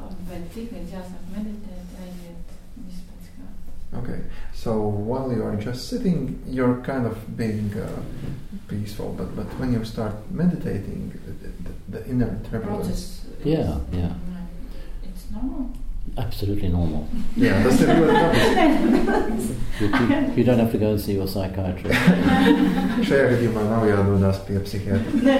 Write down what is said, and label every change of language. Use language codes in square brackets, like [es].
[lv] But tikai jāsāk meditēt, aiziet viss pēc kārtas. [en] Okay, so while you are just sitting, you're kind of being peaceful, but when you start meditating, the inner turbulence... Process is, it's normal. Absolutely normal. Yeah, that's the good advice. You don't have to go and see your psychiatrist. [lv] Šajā gadījumā nav jādodas pie psihiatra.